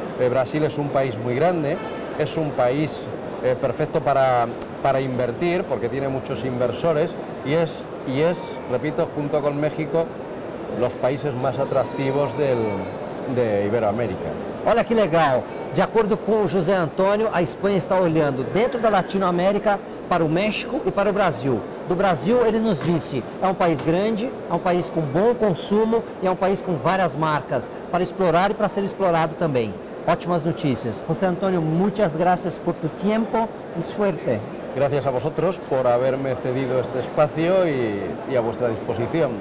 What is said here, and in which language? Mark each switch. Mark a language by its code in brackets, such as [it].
[es] Brasil es un país muy grande, es un país perfecto para invertir, porque tiene muchos inversores, y es, repito, junto con México, los países más atractivos de Iberoamérica. [pt] Olha que legal! De acordo com o José Antônio, a Espanha está olhando dentro da Latinoamérica para o México e para o Brasil. Do Brasil, ele nos disse, é um país grande, é um país com bom consumo e é um país com várias marcas para explorar e para ser explorado também. Ótimas notícias. José Antônio, muitas graças por tu tempo e suerte. [es] Gracias a vosotros por haberme cedido este espacio y a vuestra disposición.